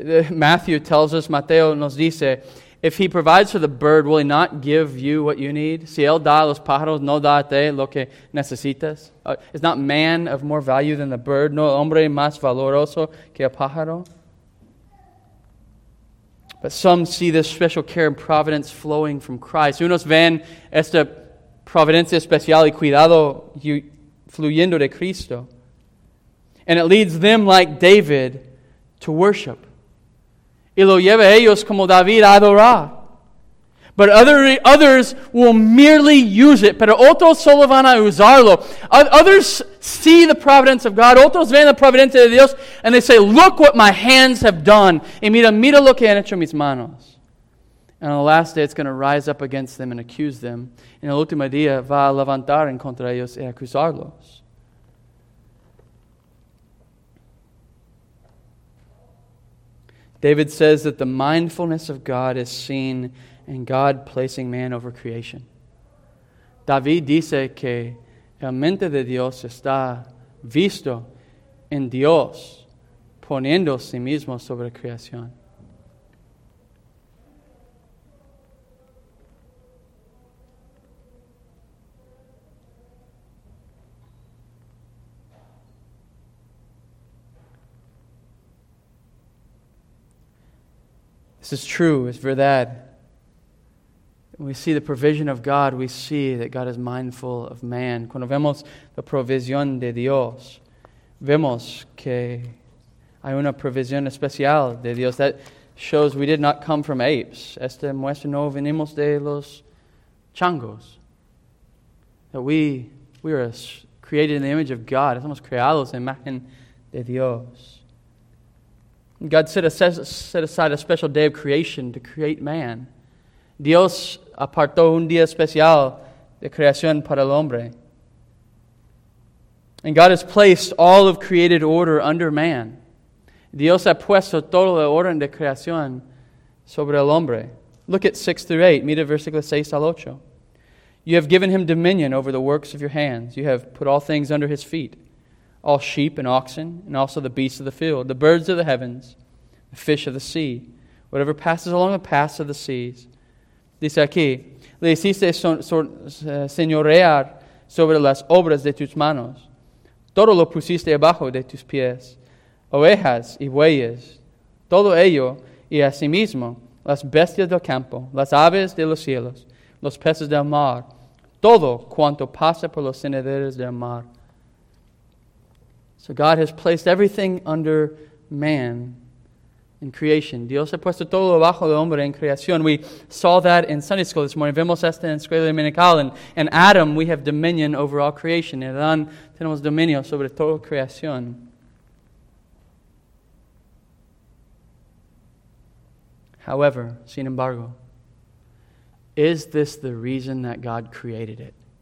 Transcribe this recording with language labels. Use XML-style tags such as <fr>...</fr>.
<en>Matthew tells us,</en> <es>Mateo nos dice,</es> <en>if he provides for the bird, will he not give you what you need?</en> <es>Si él da a los pájaros, no da a ti lo que necesitas.</es> <en>Is not man of more value than the bird?</en> <es>No hombre más valoroso que el pájaro?</es> <en>But some see this special care and providence flowing from Christ.</en> <es>Unos ven esta providencia especial y cuidado fluyendo de Cristo.</es> <en>And it leads them, like David, to worship.</en> <es>Y lo lleva ellos como David a adorar.</es> <en>But others will merely use it.</en> <es>Pero otros solo van a usarlo.</es> <en>Others see the providence of God.</en> <es>Otros ven la providencia de Dios.</es> <en>And they say, look what my hands have done.</en> <es>Y mira lo que han hecho mis manos.</es> <en>And on the last day, it's going to rise up against them and accuse them.</en> <es>En el último día, va a levantar en contra ellos y acusarlos.</es> <en>David says that the mindfulness of God is seen in God placing man over creation.</en> <es>David dice que la mente de Dios está visto en Dios poniendo sí mismo sobre creación.</es> <en>This is true, it's verdad. When we see the provision of God, we see that God is mindful of man.</en> <es>Cuando vemos la provisión de Dios, vemos que hay una provisión especial de Dios.</es> <en>That shows we did not come from apes.</en> <es>Esta muestra no venimos de los changos.</es> <en>That we are created in the image of God.</en> <es>Somos creados en imagen de Dios.</es> <en>God set aside a special day of creation to create man.</en> <es>Dios apartó un día especial de creación para el hombre.</es> <en>And God has placed all of created order under man.</en> <es>Dios ha puesto todo el orden de creación sobre el hombre.</es> <en>Look at 6 through 8.</en> <es>Mira versículos 6 al 8.</es> <en>You have given him dominion over the works of your hands. You have put all things under his feet. All sheep and oxen, and also the beasts of the field, the birds of the heavens, the fish of the sea, whatever passes along the paths of the seas.</en> <es>Dice aquí, le hiciste señorear sobre las obras de tus manos. Todo lo pusiste abajo de tus pies, ovejas y bueyes, todo ello y asimismo las bestias del campo, las aves de los cielos, los peces del mar, todo cuanto pasa por los senderos del mar.</es> <en>So God has placed everything under man in creation.</en> <es>Dios ha puesto todo bajo el hombre en creación.</es> <en>We saw that in Sunday school this morning.</en> <es>Vemos esto en escuela dominical.</es> <en>In Adam, we have dominion over all creation.</en> <es>En Adán, tenemos dominio sobre toda creación.</es> <en>However,</en> <es>sin embargo,</es> <en>is this the reason that God created it?</en>